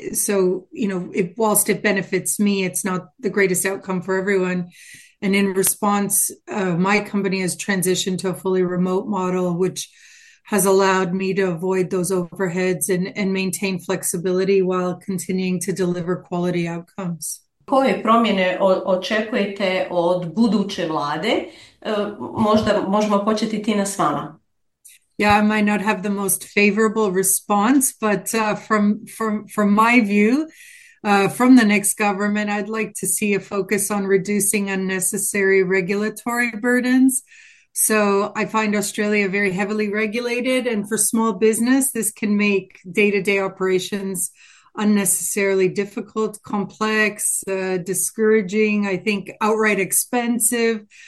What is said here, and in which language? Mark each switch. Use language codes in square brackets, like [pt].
[en] Whilst it benefits me, it's not the greatest outcome for everyone. And in response, my company has transitioned to a fully remote model, which has allowed me to avoid those overheads and maintain flexibility while continuing to deliver quality outcomes. [hr] Koje promjene očekujete od buduće vlade? Možda možemo početi Tina s vama. [en] Yeah, I might not have the most favorable response, but from my view, from the next government, I'd like to see a focus on reducing unnecessary regulatory burdens. So I find Australia very heavily regulated, and for small business, this can make day-to-day operations unnecessarily difficult, complex, discouraging, I think outright expensive.